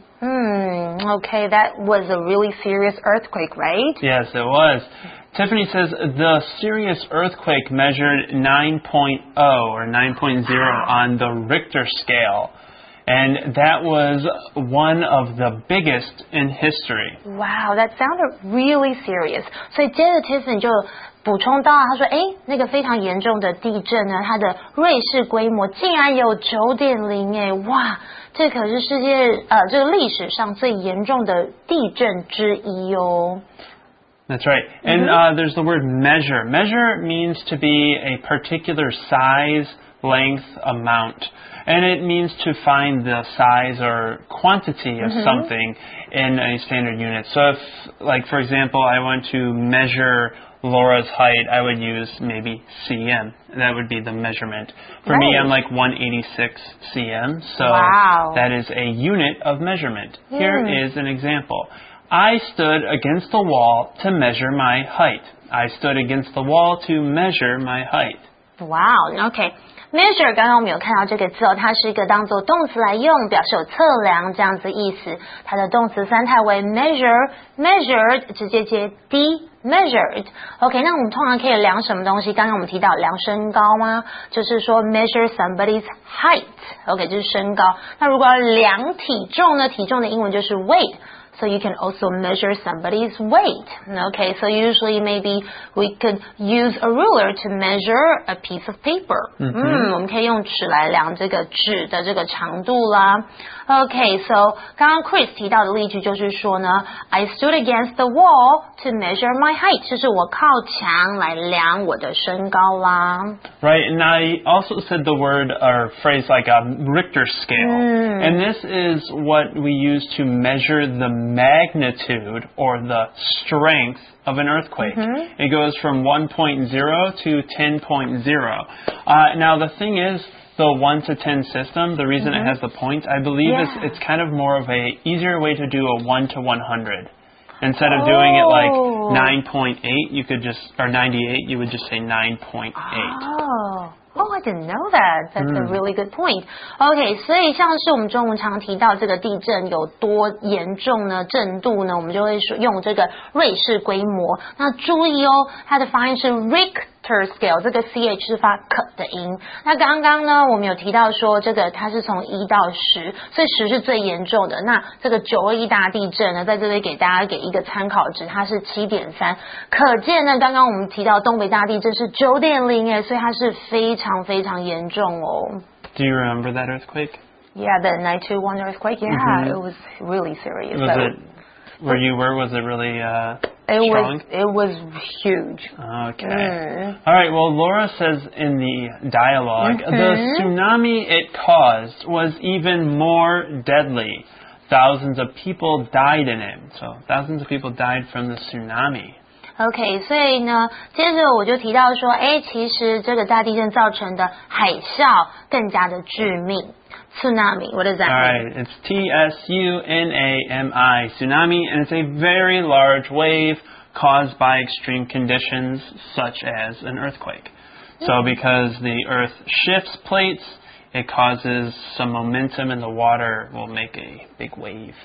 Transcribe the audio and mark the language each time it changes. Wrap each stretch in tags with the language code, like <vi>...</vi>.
<en>Okay, that was a really serious earthquake, right? Yes, it was. Tiffany says the serious earthquake measured 9.0 or 9.0 on the Richter scale. And that was one of the biggest in history. Wow, that sounded really serious.</en> <zh>So, 接着 Tiffany 就补充到，他说，那个非常严重的地震呢，它的瑞士规模竟然有 9.0 诶，哇，这可是世界，这个历史上最严重的地震之一哦。</zh> <en>That's right. And, there's the word measure. Measure means to be a particular size,length, amount, and it means to find the size or quantity of something in a standard unit. So if, like, for example, I want to measure Laura's height, I would use maybe cm. That would be the measurement. For me, I'm like 186 cm, so that is a unit of measurement. Here is an example. I stood against the wall to measure my height. I stood against the wall to measure my height. Wow, okay.</en> <zh>Measure, 刚刚我们有看到这个字哦，它是一个当作动词来用，表示有测量这样子意思。它的动词三态为 measure, measured, 直接接 d, measured. OK, 那我们通常可以量什么东西？刚刚我们提到量身高吗？就是说</zh> <en>measure somebody's height.</en> <zh>OK, 就是身高。那如果要量体重呢？体重的英文就是 weight.</zh> <en>So you can also measure somebody's weight. Okay, so usually maybe we could use a ruler to measure a piece of paper.</en> <zh>我们可以用尺来量这个纸的这个长度啦。 Okay, so 刚刚 Chris 提到的例句就是说呢</zh> <en>I stood against the wall to measure my height.</en> <zh>就是我靠墙来量我的身高啦。</zh> <en>Right, and I also said the word or phrase like a Richter scale. And this is what we use to measure the magnitude or the strength of an earthquake. It goes from 1.0 to 10.0. Now, the thing is,The 1 to 10 system, the reason it has the points, I believe it's kind of more of a easier way to do a 1 to 100. Instead of doing it like 9.8, you could just, or 98, you would just say 9.8. Oh, Oh, I didn't know that. That's a really good point.</en> <zh>Okay, 所以像是我们中文常提到这个地震有多严重呢？震度呢？我们就会用这个瑞士规模。那注意哦，它的发音是 Richter scale， 这个 ch 是发 k 的音。那刚刚呢，我们有提到说这个它是从1到 10， 所以10是最严重的。那这个921大地震呢，在这里给大家给一个参考值，它是 7.3。可见呢，刚刚我们提到东北大地震是 9.0 耶，所以它是非常严重哦。</zh> <en>Do you remember that earthquake? Yeah, the 921 earthquake. Yeah,、mm-hmm. it was really serious. Was it, where you were, was it really strong? It was huge. Okay.、Mm. All right, well, Laura says in the dialogue,、mm-hmm. the tsunami it caused was even more deadly. Thousands of people died in it. So thousands of people died from the tsunami.</en> <zh>OK, 所以呢接着我就提到说其实这个大地震造成的海啸更加的致命。</zh> <en>Tsunami, what does that mean? Alright, it's T-S-U-N-A-M-I, tsunami, and it's a very large wave caused by extreme conditions such as an earthquake. So because the earth shifts plates... It causes some momentum and the water will make a big wave.</en>